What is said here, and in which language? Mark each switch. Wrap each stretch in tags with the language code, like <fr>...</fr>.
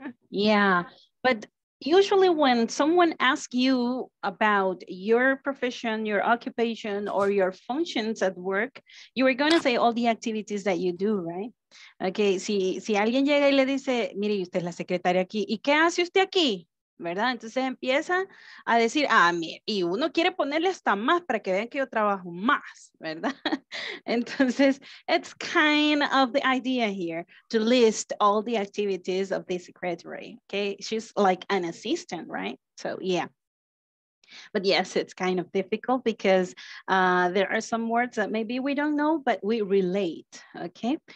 <en>Yeah, but usually when someone asks you about your profession, your occupation, or your functions at work, you are going to say all the activities that you do, right?</en> <es>Okay, si alguien llega y le dice, mire, usted es la secretaria aquí, ¿y qué hace usted aquí? ¿Verdad? Entonces empieza a decir, ah, mire, y uno quiere ponerle hasta más para que vean que yo trabajo más, ¿verdad?</es> <en>Entonces, it's kind of the idea here to list all the activities of the secretary, okay? She's like an assistant, right? So, yeah. But yes, it's kind of difficult because there are some words that maybe we don't know, but we relate, okay?</en>